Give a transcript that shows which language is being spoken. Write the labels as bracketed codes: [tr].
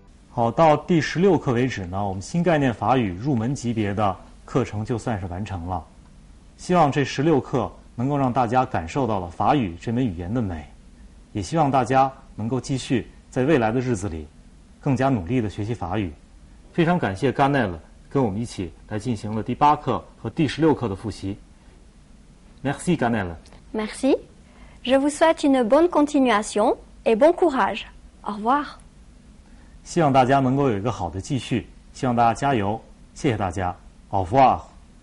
[zh] 好，到第16课为止呢，我们新概念法语入门级别的课程就算是完成了，希望这16课能够让大家感受到了法语这门语言的美，也希望大家能够继续在未来的日子里更加努力地学习法语。非常感谢甘奈勒跟我们一起来进行了第8课和第16课的复习。 [fr] Merci 甘奈勒。 Merci. Je vous souhaite une bonne continuation et bon courage. Au revoir. [zh] 希望大家能够有一个好的继续，希望大家加油，谢谢大家。 [fr] Au revoir.